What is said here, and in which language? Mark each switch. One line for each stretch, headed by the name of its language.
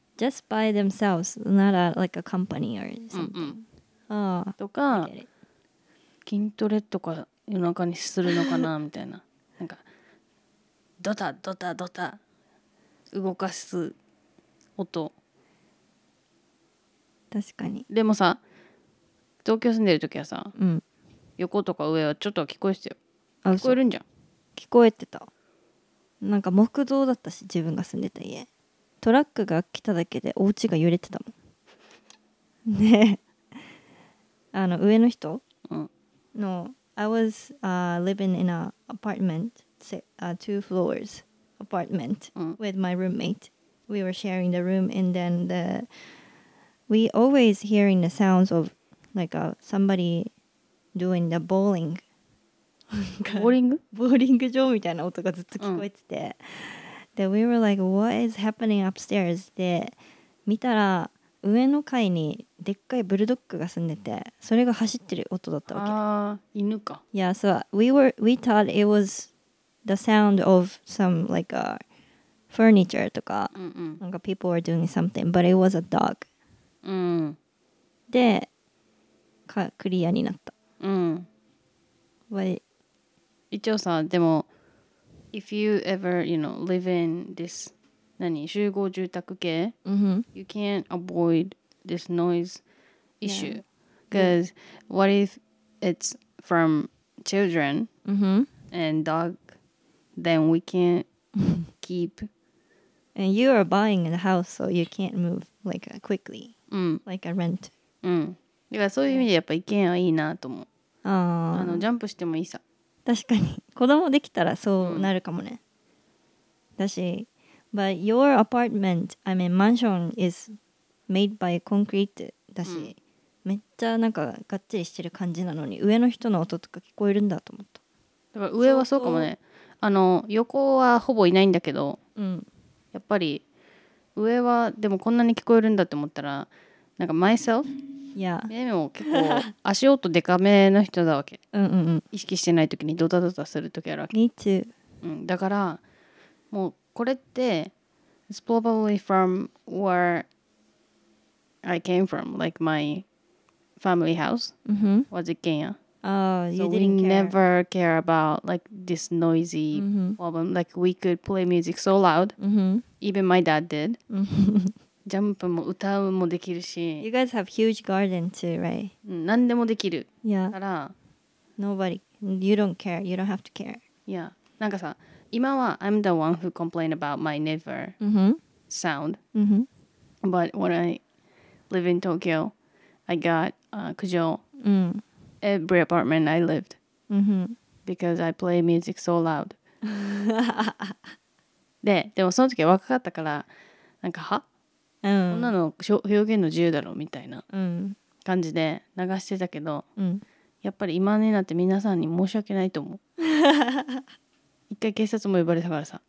English: Just by themselves, not a, like a company or something、
Japanese: うんうん、あとか筋トレとか夜中にするのかなみたいな。なんかドタドタドタ動かす音。確かに。でもさ、東京住んでる時はさ、うん、横とか上はちょっと聞こえてたよ。聞こえるんじゃん。聞こえてた。なんか木造だったし、自分が住んでた家、トラックが来ただけでお家が揺れてたもん。ね、あの上の人、うん、
English: の I was、living in an apartment、two floors apartment、
Japanese: うん、
English: with my roommate. We were sharing the room and then the, we always hearing the sounds of like a, somebody doing the bowling. Bowling?
Japanese: Bowling 場みたいな音がずっと聞こえてて。
English: Then we were like, what is happening upstairs?
Japanese: で、見たら上の階にでっかいブルドッグが住んでて、それが走ってる音だったわけ。ああ、犬か。
English: Yeah, so we thought it was the sound of some like a,furniture とか、
Japanese: うんうん、
English: なんか people were doing something but it was a dog、
Japanese: うん、でクリアになった、うん、
English: Wait.
Japanese: 一応さでも
English: if you ever you know live in this
Japanese: 何集合住宅系、
English: mm-hmm. you can't avoid this noise issue because、yeah. what if it's from children、 mm-hmm. and dog then we can't keep And you are buying a house, so you can't move like quickly,、
Japanese: うん、
English: like a rent.
Japanese: だからそういう意味でやっぱ一軒はいいなと思う。あのジャンプしてもいいさ。確かに子供できたらそうなるかもね。だし、
English: but your apartment, I mean mansion, is made by concrete.
Japanese: だし、めっちゃなんかがっちりしてる感じなのに上の人の音とか聞こえるんだと思った。だから上はそうかもね。あの横はほぼいないんだけど。うん。やっぱり上はでもこんなに聞こえるんだって思ったらなんか
English: myself Yeah.
Japanese: メメも結構足音でかめの人だわけ。意識してない時にドタドタする時あるわけ。
English: Me too.
Japanese: うん、だからもうこれって
English: It's probably from where I came from, like my family house. Was it Kenya? Oh, you didn't care. So we never care about like this noisy problem. Like we could play music so loud. Even my dad did.
Japanese: ジャンプも歌うもできるし。
English: You guys have huge garden too, right?
Japanese: うん、何でもできる。
English: Yeah.
Japanese: から、
English: Nobody, you don't care. You don't have to care. Yeah.
Japanese: なんかさ、今は
English: I'm the one who complained about my neighbor sound. But when I live in Tokyo, I got 苦情 every apartment I lived. Because I play music so loud.
Japanese: でもその時は若かったから、なんかは? うん、こんなの表現の自由だろうみたいな感じで流してたけど、うん、やっぱり今になって皆さんに申し訳ないと思う。一回警察も呼ばれたからさ。